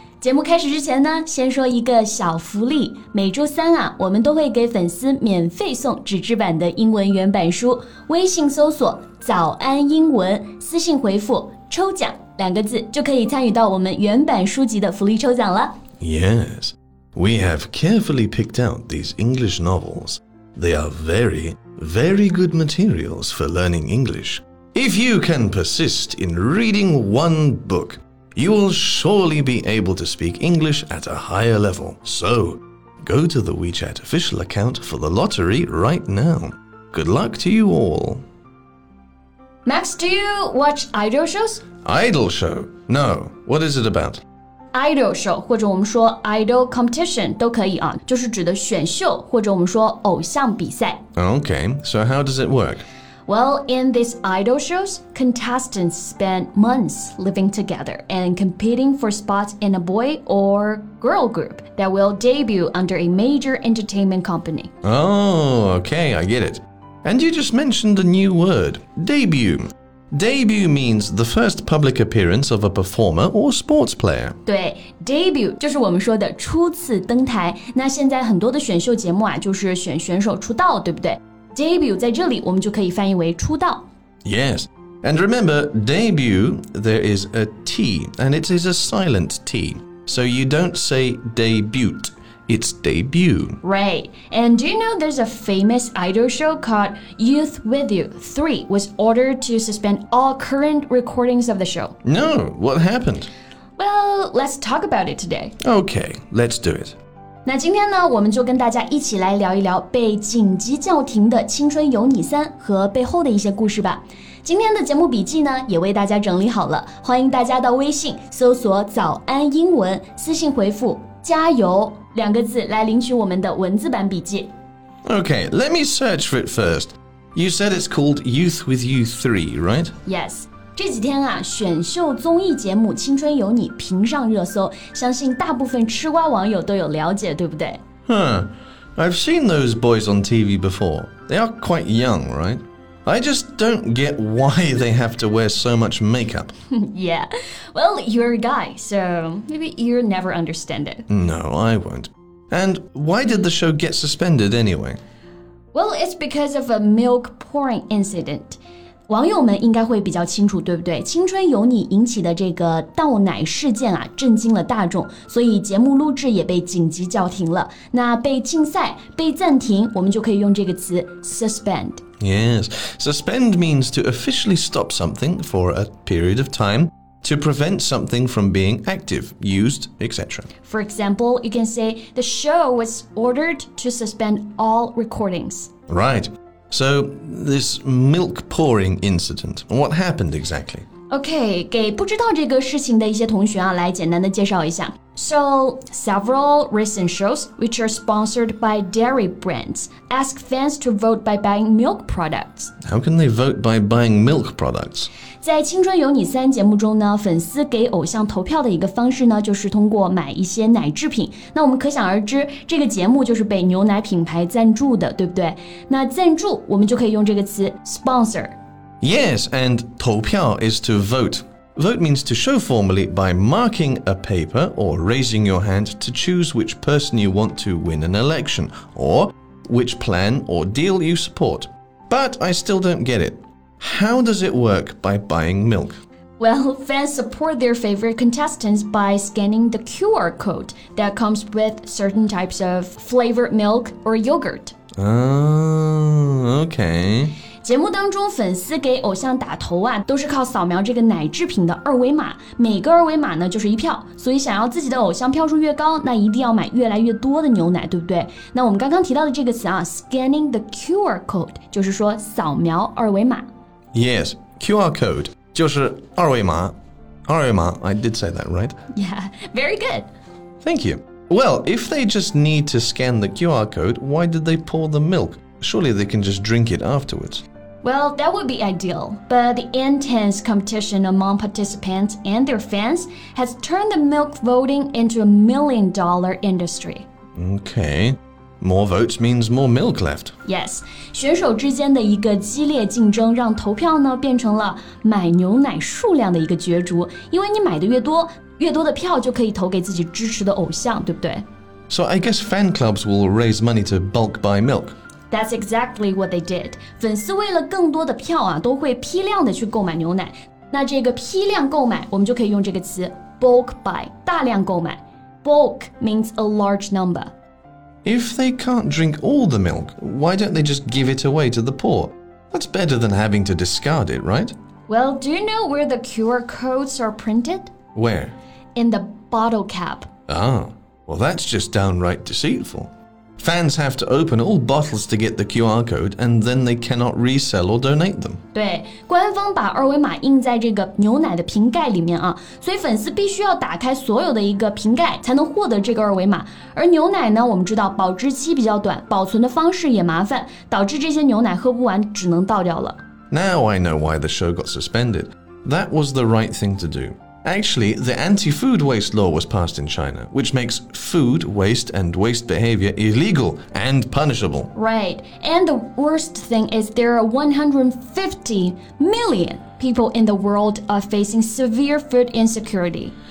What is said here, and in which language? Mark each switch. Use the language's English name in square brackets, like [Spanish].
[Chinese] 节目开始之前呢，先说一个小福利。每周三啊，我们都会给粉丝免费送纸质版的英文原版书。微信搜索“早安英文”，私信回复“抽奖”两个字，就可以参与到我们原版书籍的福利抽奖了。 [English] Yes, we have carefully picked out these English novels. They are very, very good materials for learning English. If you can persist in reading one book, you will surely be able to speak English at a higher level. So, go to the WeChat official account for the lottery right now. Good luck to you all. Max, do you watch idol shows? Idol show? No. What is it about? [Chinese] Idol show 或者我们说 idol competition 都可以啊，就是指的选秀或者我们说偶像比赛。 [English] Okay, so how does it work? Well, in these idol shows, contestants spend months living together and competing for spots in a boy or girl group that will debut under a major entertainment company. Oh, okay, I get it. And you just mentioned a new word, debut. Debut means the first public appearance of a performer or sports player. [Chinese] 对 ,debut 就是我们说的初次登台。那现在很多的选秀节目啊就是选选手出道对不对 ?debut 在这里我们就可以翻译为出道。 [English] Yes, and remember, debut, there is a T, and it is a silent T. So you don't say debut, it's debut. Right, and do you know there's a famous idol show called Youth With You 3 was ordered to suspend all current recordings of the show. No, what happened? Well, let's talk about it today. Okay, let's do it. [Chinese] 那今天呢我们就跟大家一起来聊一聊被紧急叫停的青春有你三和背后的一些故事吧。今天的节目笔记呢也为大家整理好了。欢迎大家到微信搜索早安英文私信回复加油两个字来领取我们的文字版笔记。 [English] Okay, let me search for it first. You said it's called Youth With You 3, right? Yes. [Chinese] 这几天啊选秀综艺节目青春有你频上热搜相信大部分吃瓜网友都有了解对不对 [English] I've seen those boys on TV before. They are quite young, right? I just don't get why they have to wear so much makeup. Yeah, well, you're a guy, so maybe you'll never understand it. No, I won't. And why did the show get suspended anyway? Well, it's because of a milk pouring incident. [Chinese] 网友们应该会比较清楚，对不对？青春有你引起的这个倒奶事件啊，震惊了大众，所以节目录制也被紧急叫停了。那被禁赛、被暂停，我们就可以用这个词 suspend. [English] Yes, suspend means to officially stop something for a period of time to prevent something from being active, used, etc. For example, you can say the show was ordered to suspend all recordings. Right. So, this milk pouring incident, what happened exactly? [Chinese] Okay, 给不知道这个事情的一些同学啊，来简单的介绍一下。 [English] So, several recent shows, which are sponsored by dairy brands, ask fans to vote by buying milk products. How can they vote by buying milk products? [Chinese] 在青春有你三节目中呢，粉丝给偶像投票的一个方式呢，就是通过买一些奶制品。那我们可想而知，这个节目就是被牛奶品牌赞助的，对不对？那赞助，我们就可以用这个词 sponsor。 [English] Yes, and 投票 is to vote. Vote means to show formally by marking a paper or raising your hand to choose which person you want to win an election or which plan or deal you support. But I still don't get it. How does it work by buying milk? Well, fans support their favorite contestants by scanning the QR code that comes with certain types of flavored milk or yogurt. Oh, okay. [Chinese] 节目当中粉丝给偶像打头啊都是靠扫描这个奶制品的二维码每个二维码呢就是一票所以想要自己的偶像票数越高那一定要买越来越多的牛奶对不对那我们刚刚提到的这个词啊 [English] Scanning the QR code [Chinese] 就是说扫描二维码 [English] Yes, QR code [Chinese] 就是二维码二维码 [English] I did say that, right? Yeah, very good Thank you Well, if they just need to scan the QR code Why did they pour the milk? Surely they can just drink it afterwards. Well, that would be ideal. But the intense competition among participants and their fans has turned the milk voting into a million-dollar industry. Okay. More votes means more milk left. Yes. [Chinese] 选手之间的一个激烈竞争让投票呢变成了买牛奶数量的一个角逐。因为你买的越多，越多的票就可以投给自己支持的偶像，对不对？ [English] So I guess fan clubs will raise money to bulk buy milk. That's exactly what they did. [Chinese] 粉丝为了更多的票啊，都会批量的去购买牛奶。那这个批量购买，我们就可以用这个词 bulk buy, 大量购买。 [English] Bulk means a large number. If they can't drink all the milk, why don't they just give it away to the poor? That's better than having to discard it, right? Well, do you know where the QR codes are printed? Where? In the bottle cap. Ah. Well, that's just downright deceitful. Fans have to open all bottles to get the QR code, and then they cannot resell or donate them. [Chinese] 对，官方把二维码印在这个牛奶的瓶盖里面啊，所以粉丝必须要打开所有的一个瓶盖才能获得这个二维码。而牛奶呢，我们知道保质期比较短，保存的方式也麻烦，导致这些牛奶喝不完，只能倒掉了。 [English] Now I know why the show got suspended. That was the right thing to do. Actually, the anti-food waste law was passed in China, which makes food waste and waste behavior illegal and punishable. Right. And the worst thing is there are 150 million people in the world are facing severe food insecurity.